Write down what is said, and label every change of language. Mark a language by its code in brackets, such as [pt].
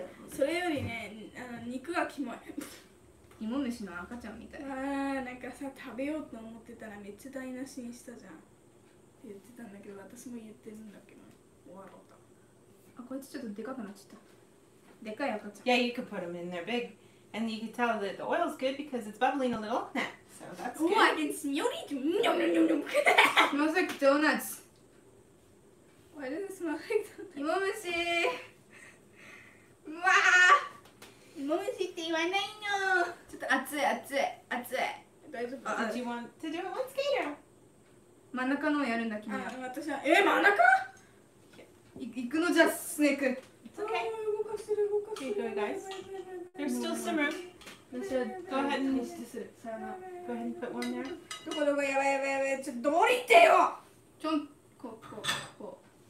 [ja] それよりね、あの、肉が肝い。芋虫の赤ちゃんみたい。ああ、なんかさ、食べようと思ってたらめっちゃ台無しにしたじゃん。言ってたんだけど、私も言ってるんだけど。終わった。あ、こいつちょっとでかくなっちゃった。でかい赤ちゃん。Yeah, [en] you can put them in there big, and you can tell that the oil's good because it's bubbling a little. Yeah, so that's good. Oh, I can smell it. Smells like donuts. Why does it smell like donuts? [ja] 芋虫! わあ、芋虫って言わないの。ちょっと熱い熱い熱い。大丈夫。あ、Do [en] you want to do it once again? 真ん [ja] 中のやるんだ君。あ、私は。え、真ん中？行くのじゃ、スネーク。 [en] It's okay. [ja] 動かしてる動かしてる。 [en] Okay, guys. There's still some room. Go ahead and put one there. [ja] どこどこやばいやばいやばい。ちょっとどこ行ってよ。ちょん、こうこうこう。